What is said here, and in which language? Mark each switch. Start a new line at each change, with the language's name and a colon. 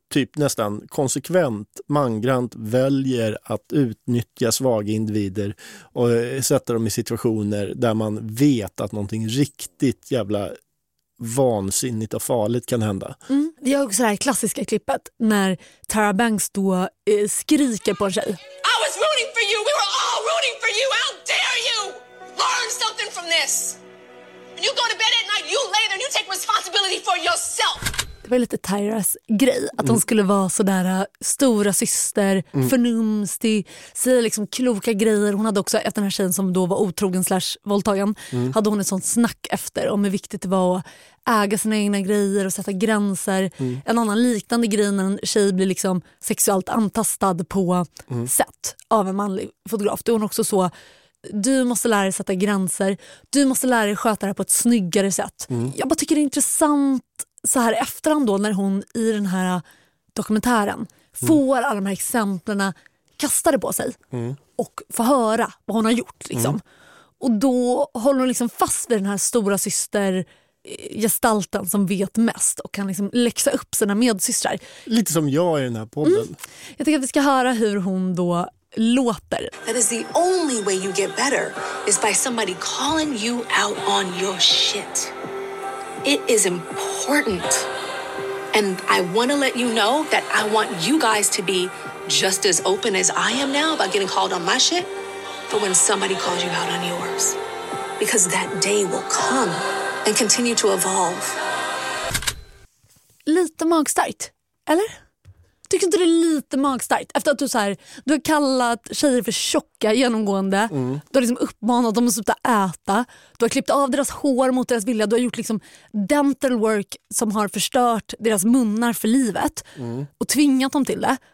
Swedish: typ nästan konsekvent mangrant väljer att utnyttja svaga individer och sätta dem i situationer där man vet att någonting riktigt jävla vansinnigt och farligt kan hända. Mm. Det är också det här klassiska klippet när Tara Banks då skriker på en tjej.
English: I was rooting for you. We were all rooting for you. How dare you? Learn something from this. When you go to bed at night, you lay there and you take responsibility for yourself.
Swedish: Det var lite Tyras grej, att hon skulle vara sådär stora syster, förnumstig, säga liksom kloka grejer. Hon hade också, efter den här tjejen som då var otrogen slash våldtagen, hade hon ett sånt snack efter om hur viktigt det var att äga sina egna grejer och sätta gränser. Mm. En annan liknande grej när en tjej blir liksom sexuellt antastad på sätt av en manlig fotograf. Då är hon också så, du måste lära dig sätta gränser, du måste lära dig sköta det här på ett snyggare sätt. Mm. Jag bara tycker det är intressant. Så här efterhand då, när hon i den här dokumentären får alla de här exemplen kastade på sig och får höra vad hon har gjort. Liksom. Mm. Och då håller hon liksom fast vid den här stora systergestalten som vet mest och kan liksom läxa upp sina medsystrar. Lite som jag i den här podden. Mm. Jag tycker att vi ska höra hur hon då låter.
English: That is the only way you get better is by somebody calling you out on your shit. It is important. And I want to let you know that I want you guys to be just as open as I am now about getting called on my shit for when somebody calls you out on yours. Because that day will come and continue to evolve.
Swedish: Lite magstarkt, eller? Tycker inte det är lite magstarkt? Efter att du så här, du har kallat tjejer för tjocka genomgående. Mm. Du har liksom uppmanat dem att sluta äta. Du har klippt av deras hår mot deras vilja. Du har gjort liksom dental work som har förstört deras munnar för livet. Mm. Och tvingat dem till det.